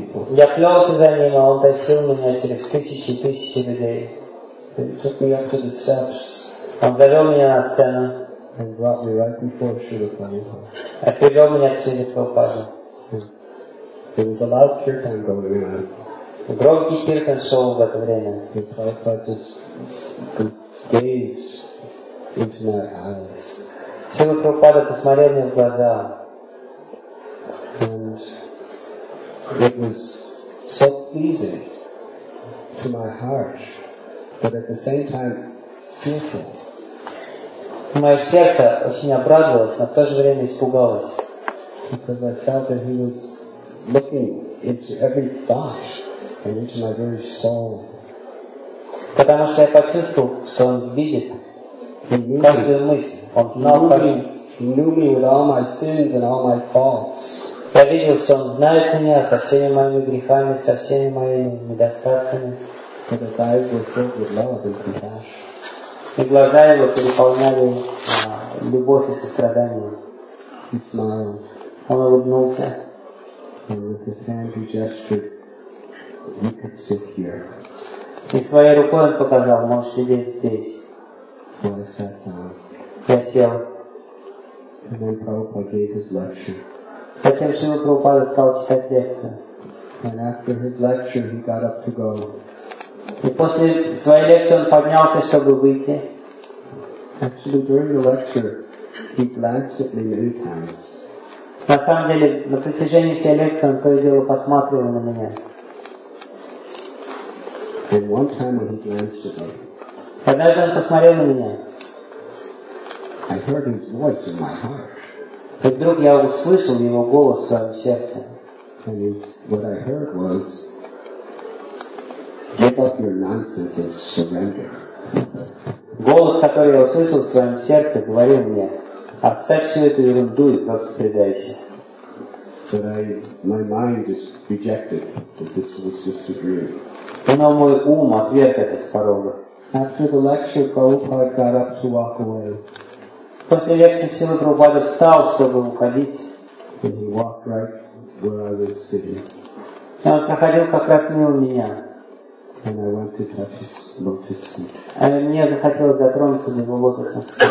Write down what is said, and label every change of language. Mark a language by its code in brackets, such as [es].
[ru] Я плелся за ним, а он тащил меня через тысячи и тысячи людей. [en] He took me up to the steps. [ru] Он завел меня на сцену. [en] And brought me right before Shrila Prabhupada. [ru] И привел меня к Шриле Прабхупаде. [en] There was a loud kirtan going on. [ru] Громкий киртан шел в это время. [en] He felt like just the gaze into my eyes. [ru] Шрила Прабхупада посмотрел мне в глаза. [en] And it was so pleasing to my heart, but at the same time fearful. [ru] Мое сердце очень обрадовалось, но в то же время испугалось. [en] Because I felt that he was looking into every thought and into my very soul. [ru] Потому что я почувствовал, что он видит каждую мысль. Он знал каждую. [en] He knew me with all my sins and all my faults. [ru] Я видел, что он знает меня со всеми моими грехами, со всеми моими недостатками. [en] But his eyes were filled with love and compassion. [ru] И глаза его переполняли любовь и сострадание. [en] He smiled. [ru] Он улыбнулся. [en] And with his hand he gestured, you could sit here. [ru] И своей рукой он показал, можешь сидеть здесь. [en] So I sat down. [ru] Я сел. [en] And then Prabhupada gave his lecture. [ru] Затем Шрила Прабхупада стал читать лекцию. [en] And after his lecture, he got up to go. [ru] И после своей лекции он поднялся, чтобы выйти. [en] Actually, during the lecture, he glanced at me many times. [ru] На самом деле, на протяжении всей лекции он то и дело посматривал на меня. [en] And one time when he glanced at me. [ru] Однажды он посмотрел на меня. [en] I heard his voice in my heart. [ru] И вдруг я услышал его голос в своем сердце. [en] And what I heard was, give up your nonsense and surrender. [ru] Голос, который я услышал в своем сердце, говорил мне, оставь всю эту ерунду и просто предайся. [en] But my mind just rejected that this was just a dream. [ru] Но мой ум отверг это с порога. [en] After the lecture, Prabhupada got up to walk away. [ru] После лекции Шрила Прабхупада встал, чтобы уходить. [en] And he walked right where I was sitting. [ru] И он проходил как раз мимо меня. [en] And I went to touch his lotus feet. [ru] А мне захотелось дотронуться до его лотоса.